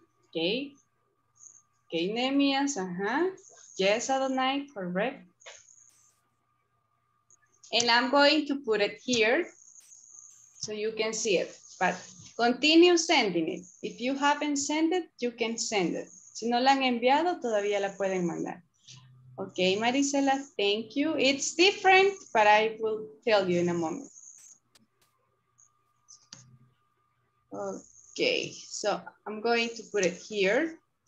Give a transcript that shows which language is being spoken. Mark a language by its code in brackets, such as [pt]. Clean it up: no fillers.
[en] Okay. Okay, Nemias, Yes, Adonai, correct. And I'm going to put it here so you can see it, but continue sending it. If you haven't sent it, you can send it. [es] Si no la han enviado, todavía la pueden mandar. [en] Okay, Marisela, thank you. It's different, but I will tell you in a moment. Okay, so I'm going to put it here.